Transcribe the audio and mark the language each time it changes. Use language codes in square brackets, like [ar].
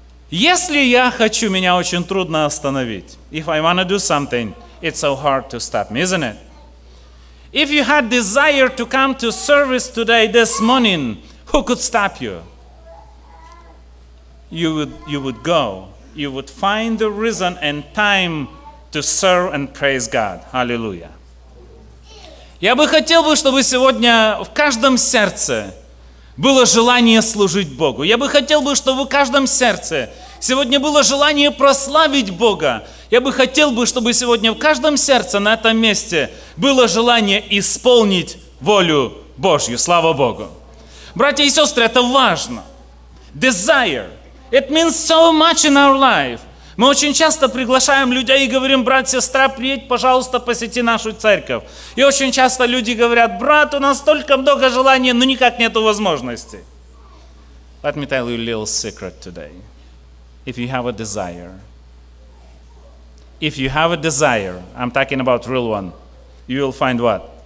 [ru] Если я хочу, меня очень трудно остановить. [en] If I want to do something, it's so hard to stop me, isn't it? If you had desire to come to service today, this morning, who could stop you? You would go. You would find the reason and time to serve and praise God. Hallelujah. [ru] Я бы хотел, чтобы сегодня в каждом сердце было желание служить Богу. Я бы хотел, чтобы в каждом сердце сегодня было желание прославить Бога. Я бы хотел, чтобы сегодня в каждом сердце на этом месте было желание исполнить волю Божью. Слава Богу. Братья и сестры, это важно. [en] Desire. It means so much in our life. [ru] Мы очень часто приглашаем людей и говорим: брат, сестра, приедь, пожалуйста, посети нашу церковь. И очень часто люди говорят: брат, у нас столько много желаний, но никак нету возможности. [en] Let me tell you a little secret today. If you have a desire, I'm talking about real one, you will find what?